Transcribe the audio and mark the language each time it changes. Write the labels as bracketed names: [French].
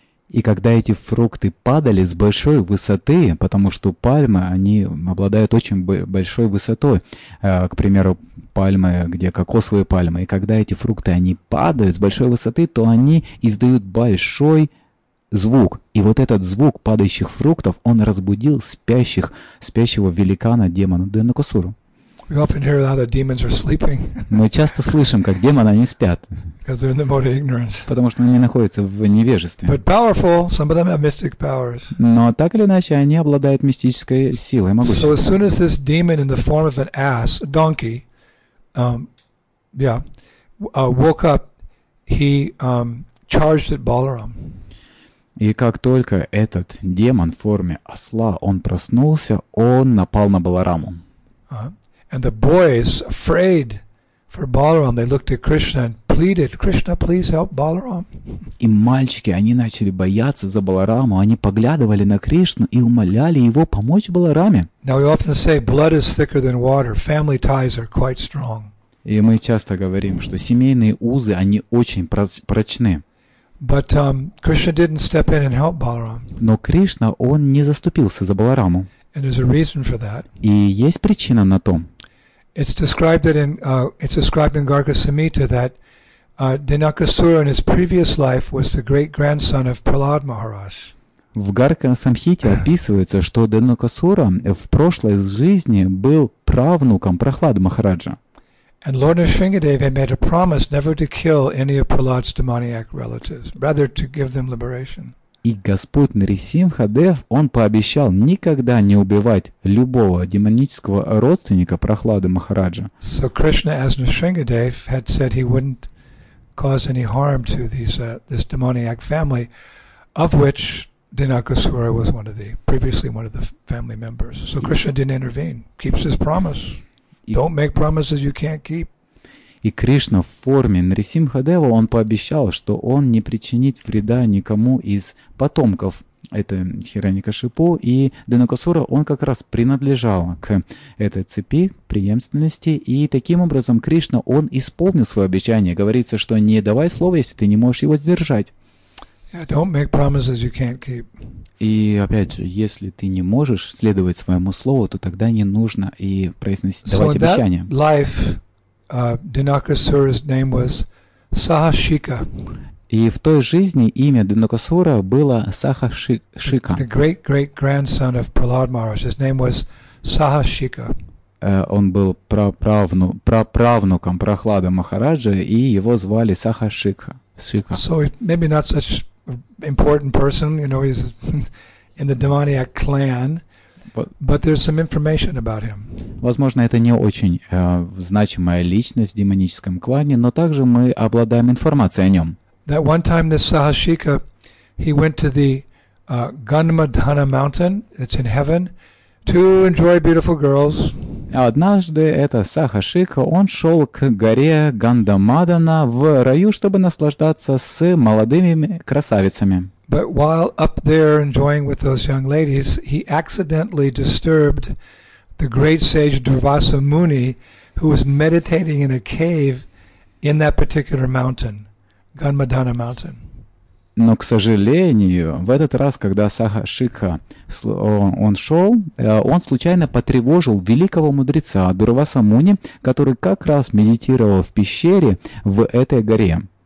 [Russian] И когда эти фрукты падали с большой высоты, потому что пальмы, они обладают очень большой высотой, к примеру, пальмы, где кокосовые пальмы, и когда эти фрукты, они падают с большой высоты, то они издают большой звук. И вот этот звук падающих фруктов, он разбудил спящего великана, демона Динакасуру. [English] We often hear how the demons are sleeping. [Russian] Мы часто слышим, как демоны, они спят. [English] Because they're in the mode of ignorance. [Russian] Потому что они находятся в невежестве. [English] But powerful, some of them have mystic powers. [Russian] Но так или иначе, они обладают мистической силой, могуществом. [English] So as soon as this demon in the form of an ass, a donkey, woke up, he charged at Balaram. [Russian] И как только этот демон в форме осла, он проснулся, он напал на Балараму. [English] And the boys, afraid for Balaram, they looked at Krishna and pleaded, Krishna, please help Balaram. [Russian] И мальчики, они начали бояться за Балараму, они поглядывали на Кришну и умоляли его помочь Балараме. [English] Now we often say, blood is thicker than water. Family ties are quite strong. [Russian] И мы часто говорим, что семейные узы, они очень прочны. [English] But Krishna didn't step in and help Balaram. [Russian] Но Кришна, он не заступился за Балараму. [English] And there's a reason for that. [Russian] И есть причина на том. [English] It's described in Garga Samhita that Dinakasura in his previous life was the great grandson of Prahlad Maharaj. [Russian] В Гарга Самхите описывается, что Динакасура в прошлой жизни был правнуком Прахлады Махараджа. [English] And Lord Nrisimhadeva made a promise never to kill any of Prahlad's demoniac relatives, rather to give them liberation. [Russian] И Господь Нарисимхадев, он пообещал никогда не убивать любого демонического родственника Прохлады Махараджа. [English] So Krishna as Nrisimhadev had said he wouldn't cause any harm to these this demoniac family, of which Dinakasura was one of the previously one of the family members. So Krishna didn't intervene, keeps his promise. Don't make promises you can't keep. [Russian] И Кришна в форме Нрисимхадева, он пообещал, что он не причинит вреда никому из потомков. Это Хираньякашипу, и Динакасура, он как раз принадлежал к этой цепи преемственности. И таким образом Кришна, он исполнил свое обещание. Говорится, что не давай слово, если ты не можешь его сдержать. [English] Yeah, don't make promises you can't keep. [Russian] И опять же, если ты не можешь следовать своему слову, то тогда не нужно и произносить, давать обещание. [English] So in that life, Dinakasura's name was Sahashika. [Russian] И в той жизни имя Динакасура было Сахашика. [English] The great-great-grandson of Prahlad Maharaj. His name was Sahashika. [Russian] Он был праправнуком Прохлады Махараджа, и его звали Сахашика. [English] So maybe not such important person, you know, he's in the demoniac clan. But there's some information about him. [Russian] Возможно, это не очень значимая личность в демоническом клане, но также мы обладаем информацией о нем. [English] That one time this Sahashika, he went to the Ganmadhana mountain, it's in heaven, to enjoy beautiful girls. [Russian] Однажды это Сахашика, он шел к горе Гандамадана в раю, чтобы наслаждаться с молодыми красавицами. [English] But while up there enjoying with those young ladies, he accidentally disturbed the great sage Durvasa Muni, who was meditating in a cave in that particular mountain, Ganmadhana mountain. [Russian] Но, к сожалению, в этот раз, когда Сахашика он шел, он случайно потревожил великого мудреца Дурваса Муни, который как раз медитировал в пещере в этой горе.